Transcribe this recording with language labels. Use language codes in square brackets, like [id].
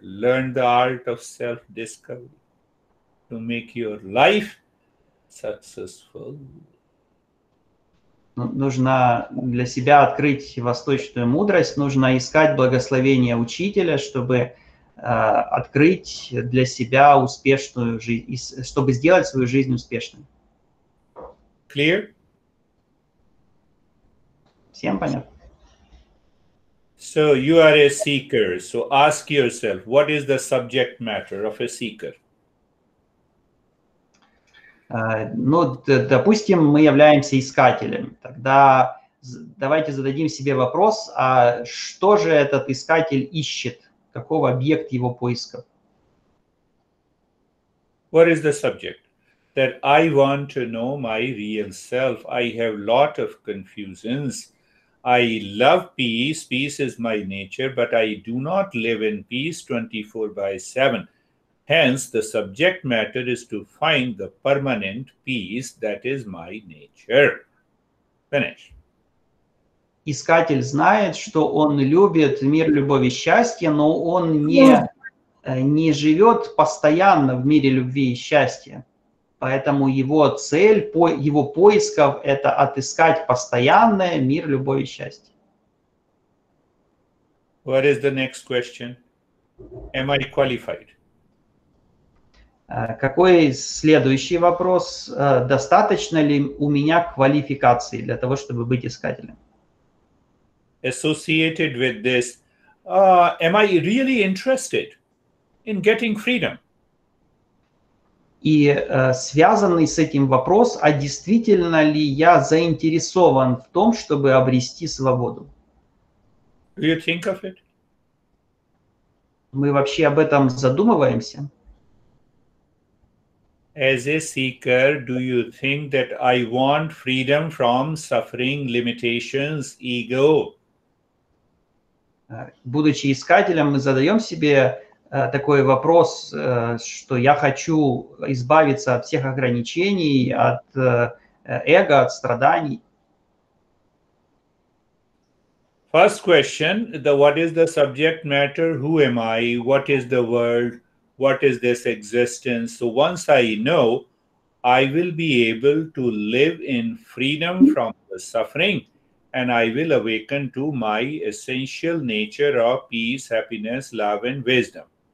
[en] Learn the art of self-discovery to make your life successful. [ru] Нужно для себя открыть восточную мудрость, нужно искать благословение учителя, чтобы открыть для себя успешную жизнь, чтобы сделать свою жизнь успешной. [en] Clear? [ru] Всем понятно? [en] So you are a seeker. So ask yourself, what is the subject matter of a seeker? [ru] Ну, допустим, мы являемся искателем. Тогда давайте зададим себе вопрос, а что же этот искатель ищет? Каков объект его поиска? [en] What is the subject? That I want to know my real self. I have a lot of confusions. I love peace. Peace is my nature, but I do not live in peace 24/7. Hence, the subject matter is to find the permanent peace that is my nature. Finish. [ru] Искатель знает, что он любит мир, любовь и счастье, но он не живет постоянно в мире любви и счастья. Поэтому его цель, по его поисков, это отыскать постоянное мир, любовь и счастье. [en] What is the next question? Am I qualified? [ru] Какой следующий вопрос? Достаточно ли у меня квалификации для того, чтобы быть искателем? [en] Associated with this, am I really interested in getting freedom? [ru] И связанный с этим вопрос, а действительно ли я заинтересован в том, чтобы обрести свободу? [en] Do you think of it? [ru] Мы вообще об этом задумываемся? [en] As a seeker, do you think that I want freedom from suffering, limitations, ego? [ru] Будучи искателем, мы задаем себе такой вопрос, что я хочу избавиться от всех ограничений, от эго, от страданий. [en] First question, what is the subject matter, who am I, what is the world, what is this existence? So once I know, I will be able to live in freedom from the suffering. And I will awaken to my essential nature of peace, happiness, love and wisdom.